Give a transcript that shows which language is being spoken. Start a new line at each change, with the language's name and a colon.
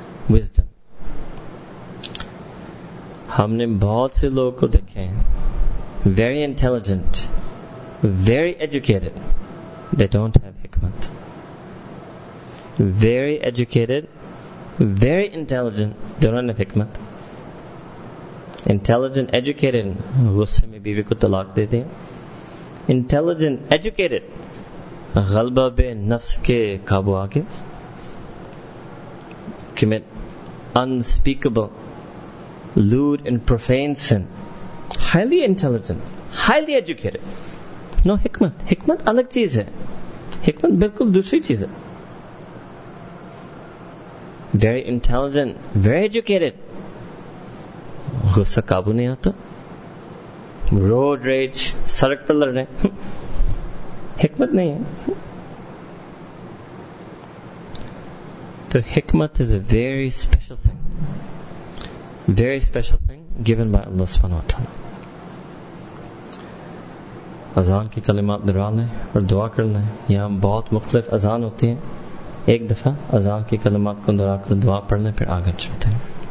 English: wisdom,
Urdu: ہم نے بہت سے لوگوں کو دیکھے ہیں,
English: Very intelligent, very educated, they don't have hikmat. Very educated, very intelligent, they don't have hikmat. Intelligent, educated,
Urdu: غصے میں بیوی کو طلاق دے دیا.
English: Intelligent, educated,
Urdu: غلبہ بے نفس کے قابو آگے,
English: commit unspeakable, lewd and profane sin. Highly intelligent, highly educated.
Urdu: No, حکمت, حکمت الگ چیز ہے, حکمت بالکل دوسری چیز ہے.
English: Very intelligent, very educated,
Urdu: غصہ قابو نہیں آتا,
English: road rage,
Urdu: سڑک پر لڑ رہے, حکمت نہیں ہے. تو
English: حکمت is a very special thing, very special thing given by Allah سبحانہ وتعالیٰ.
Urdu: اذان کے کلمات دہرا لیں اور دعا کر لیں. یہاں بہت مختلف اذان ہوتی ہیں, ایک دفعہ اذان کے کلمات کو دہرا کر دعا پڑھ لیں پھر آگے چلتے ہیں.